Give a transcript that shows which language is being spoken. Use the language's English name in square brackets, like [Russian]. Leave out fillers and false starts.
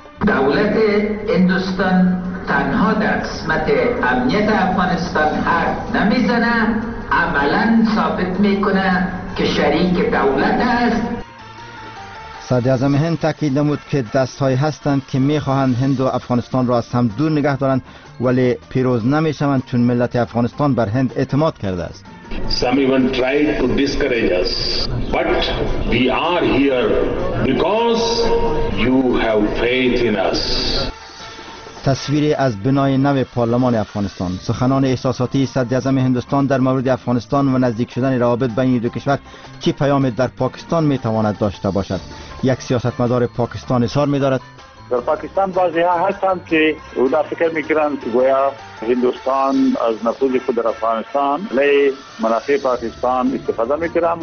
[Persian] دولت هندوستان تنها در قسمت امنیت افغانستان حرف نمیزنه، عملا ثابت میکنه که شریک دولت است. صدراعظم هند تاکید نمود که دستهایی هستند که میخواهند هند و افغانستان را از هم دور نگه دارند، ولی پیروز نمیشوند چون ملت افغانستان بر هند اعتماد کرده است. [English] Some even tried to discourage us, but we are here because you have faith in us. [Persian] تصویری از بنای نو پارلمان افغانستان. سخنان احساساتی صدراعظم هندوستان در مورد افغانستان و نزدیک شدن روابط بین این دو کشور چه پیامی در پاکستان میتواند داشته باشد؟ یک سیاستمدار پاکستان اظهار می‌دارد در پاکستان بعضی ها هستند که او در فکر میکرند که گویا هندوستان از نفوذ خود در افغانستان لی منافع پاکستان استفاده میکرند.